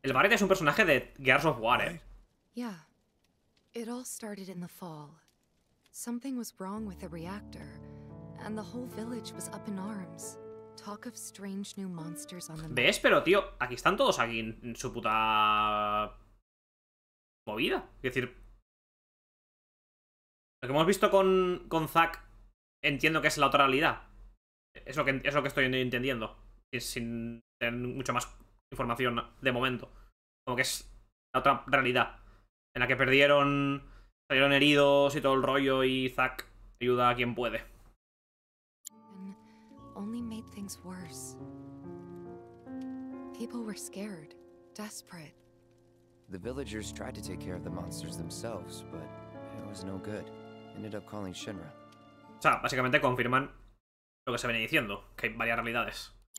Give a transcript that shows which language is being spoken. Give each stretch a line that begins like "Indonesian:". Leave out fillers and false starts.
Spanish: El Barret es un personaje de Gears of War, ¿eh?
English: Yeah. It all started in the fall. Something was wrong with the reactor, and the whole village was up in arms. Talk of strange new monsters on the...
Spanish: ¿Ves? Pero, tío, aquí están todos aquí en su puta movida. Es decir, lo que hemos visto con Zack, entiendo que es la otra realidad. Es lo que estoy entendiendo. Sin tener mucha más información de momento. Como que es la otra realidad. En la que perdieron, salieron heridos y todo el rollo, y Zack ayuda a quien puede.
English: Only made things worse. People were scared, desperate. The villagers tried to take care of the monsters themselves, but it was no good. Ended up calling Shinra.
Spanish: O sea, básicamente confirman lo que se venía diciendo, que hay varias realidades.